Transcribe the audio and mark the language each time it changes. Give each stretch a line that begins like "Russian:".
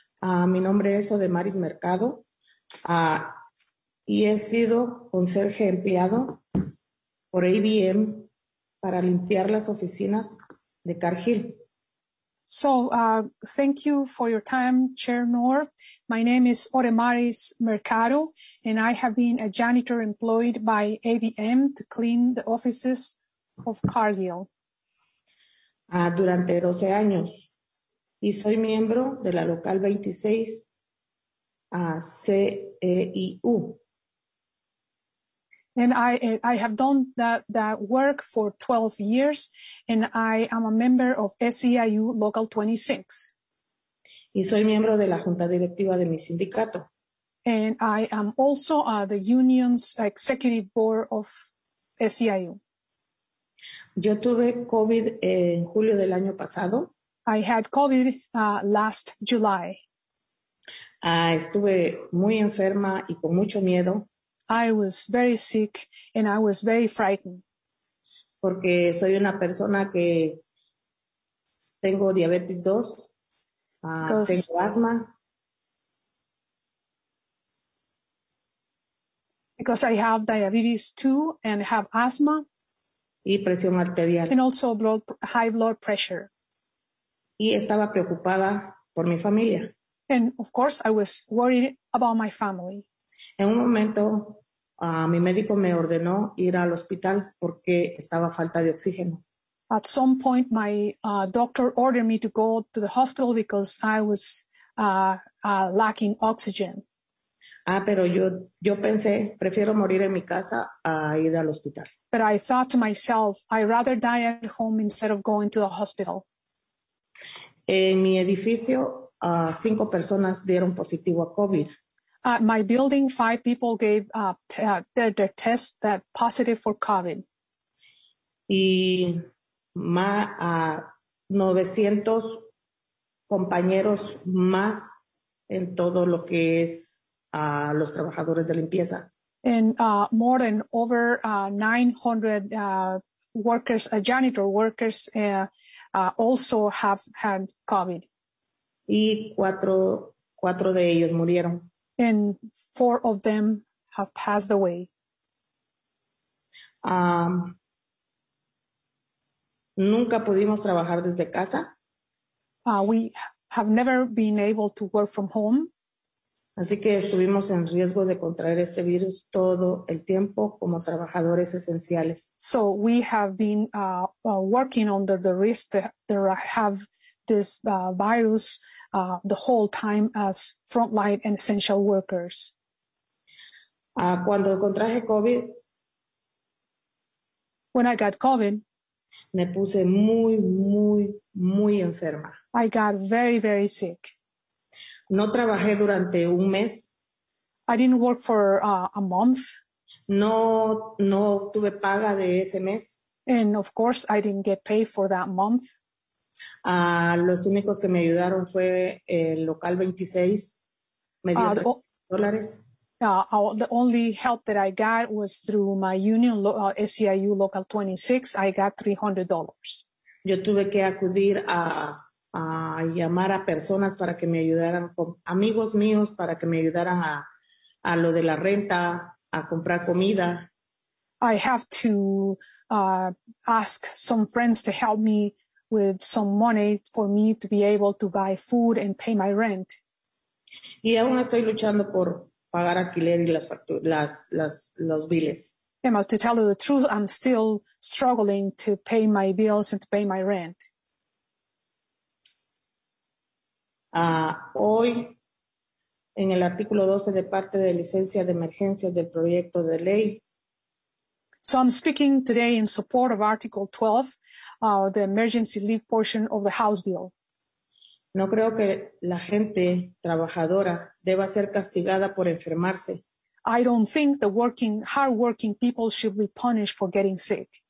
Spanish: Mi nombre es Odemaris Mercado y he sido conserje empleado por ABM para limpiar las oficinas de Cargill.
English: So, thank you for your time, Chair Noor. My name is Odemaris Mercado, and I have been a janitor employed by ABM to clean the offices of Cargill.
Spanish: Durante 12 años y soy miembro de la local 26 CEIU.
English: And I have done that work for 12 years and I am a member of SEIU Local 26.
Spanish: Y soy miembro de la junta directiva de mi sindicato.
English: And I am also the union's executive board of SEIU.
Spanish: Yo tuve COVID en julio del año pasado.
English: I had COVID last July.
Spanish: Estuve muy enferma y con mucho miedo.
English: I was very sick and I was very frightened.
Spanish: Porque soy una persona que tengo diabetes 2, tengo asma.
English: Because I have diabetes 2 and have asthma.
Spanish: y presión arterial.
English: And also high blood pressure.
Spanish: Y estaba preocupada por mi familia.
English: And of course, I was worried about my family.
Spanish: En un momento, mi médico me ordenó ir al hospital porque estaba falta de oxígeno.
English: At some point, my doctor ordered me to go to the hospital because I was lacking oxygen.
Spanish: Ah, pero yo pensé, prefiero morir en mi casa a ir al hospital.
English: But I thought to myself, I'd rather die at home instead of going to the hospital.
Spanish: En mi edificio, cinco personas dieron positivo a COVID.
English: At my building, five people gave their test that positive for COVID.
Spanish: Y más 900 compañeros más en todo lo que es los trabajadores de limpieza.
English: And more than over 900 workers, janitor workers, also have had COVID.
Spanish: Y cuatro de ellos murieron.
English: And four of them have passed away.
Spanish: Nunca pudimos trabajar desde casa.
English: We have never been able to work from home.
Spanish: Así que estuvimos en riesgo de contraer este virus todo el tiempo como trabajadores esenciales.
English: So we have been working under the risk that have this virus the whole time as frontline and essential workers.
Spanish: Cuando contraje COVID,
English: when I got COVID,
Spanish: me puse muy, muy, muy enferma.
English: I got very, very sick.
Spanish: No trabajé durante un mes.
English: I didn't work for a month.
Spanish: No tuve paga de ese mes.
English: And of course, I didn't get paid for that month.
Spanish: Los únicos que me ayudaron fue el local 26. Me dio $3.
English: The only help that I got was through my union, SEIU Local 26. I got $300.
Spanish: Yo tuve que acudir a llamar a personas para que me ayudaran, amigos míos para que me ayudaran a lo de la renta, a comprar comida.
English: I have to ask some friends to help me with some money for me to be able to buy food and pay my rent.
Spanish: Y aún estoy luchando por pagar alquiler y los biles.
English: Emma, to tell you the truth, I'm still struggling to pay my bills and to pay my rent.
Spanish: Hoy, en el artículo 12 de parte de licencia de emergencia del proyecto de ley.
English: So I'm speaking today in support of Article 12, the emergency leave portion of the House bill.
Spanish: No creo que la gente trabajadora deba ser castigada por enfermarse.
English: I don't think the hard working people should be punished for getting sick.